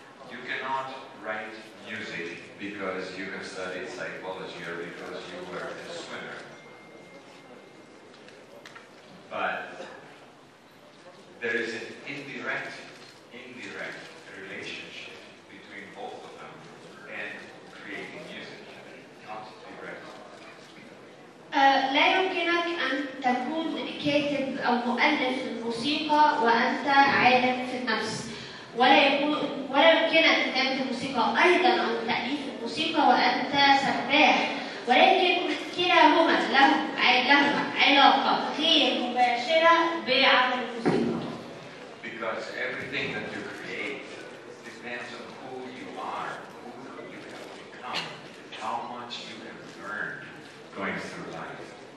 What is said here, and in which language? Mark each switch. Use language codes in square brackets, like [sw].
[en] You cannot write music because you have studied psychology or because you were a swimmer. But there is an indirect relationship between both of them and creating music. Not direct. [ar] لا يمكنك أن تكون كاتب أو مؤلف الموسيقى وأنت عالم في النفس. ولا يمكنك كتابة الموسيقى أيضا أو تأليف الموسيقى وأنت سباح. ولكن كلاهما لهم علاقة غير مباشرة بعمل الموسيقى. [en] Because everything that you create depends on who you are, who you have become, how much you have learned going through life.